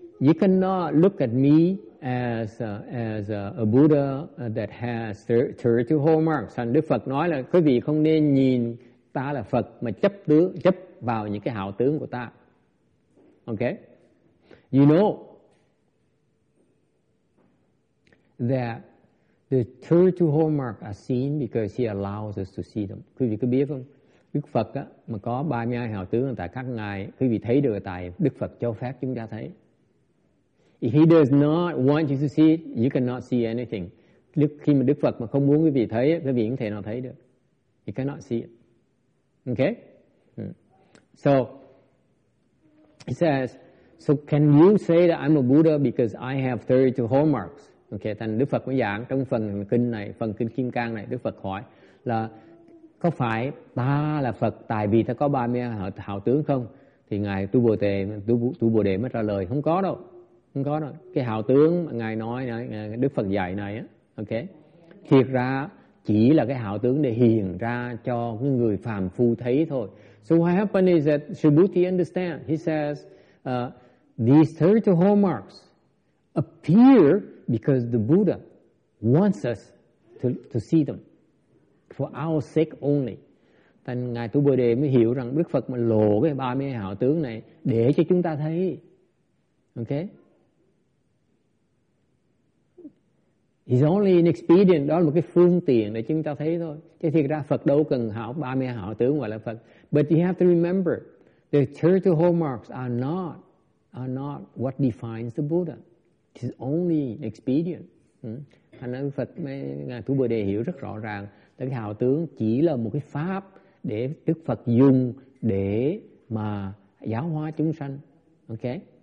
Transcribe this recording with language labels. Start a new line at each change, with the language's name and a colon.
English: You cannot look at me as a Buddha that has 32 hallmarks.
Vietnamese: And Đức Phật nói là quý vị không nên nhìn ta là Phật mà chấp vào những cái hào tướng của ta.
English: Okay. You know that the 32 hallmarks are seen because he allows us to see them.
Vietnamese: Quý vị có biết không? Đức Phật á, mà có 32 hào tướng tại các ngài, quý vị thấy được tại Đức Phật cho phép chúng ta thấy.
English: If he does not want you to see it, you cannot see anything.
Vietnamese: Khi mà Đức Phật mà không muốn quý vị thấy, quý vị không thể nào thấy được.
English: You cannot see it. Okay? So, he says, so can you say that I'm a Buddha because I have 32 hallmarks?
Vietnamese: Okay, thành Đức Phật mới giảng trong phần kinh này, phần kinh Kim Cang này, Đức Phật hỏi là có phải ta là Phật tại vì ta có 32 hảo tướng không? Thì ngài Tu Bồ Đề mới trả lời không có đâu. Không có đâu. Cái hảo tướng mà ngài nói này, Đức Phật dạy này á, okay. Thiệt ra chỉ là cái hảo tướng để hiện ra cho những người phàm phu thấy thôi.
English: So what happened is that Subhuti understand. He says these 32 hallmarks appear because the Buddha wants us to see them for our sake only.
Vietnamese: Thành ngài Tu Bồ Đề mới hiểu rằng Đức Phật mà lộ cái 32 hảo tướng này để cho chúng ta thấy. Okay?
English: He's only an expedient,
Vietnamese: đó là một cái phương tiện để chúng ta thấy thôi. Chứ thiệt ra Phật đâu cần hảo 32 hảo tướng gọi là Phật.
English: But you have to remember the 32 hallmarks are not what defines the Buddha. It's only expedient.
Vietnamese: Thành ra Phật mới, ngài Tu Bồ Đề hiểu rất rõ ràng tại cái hào tướng chỉ là một cái pháp để Đức Phật dùng để mà giáo hóa chúng sanh. Okay.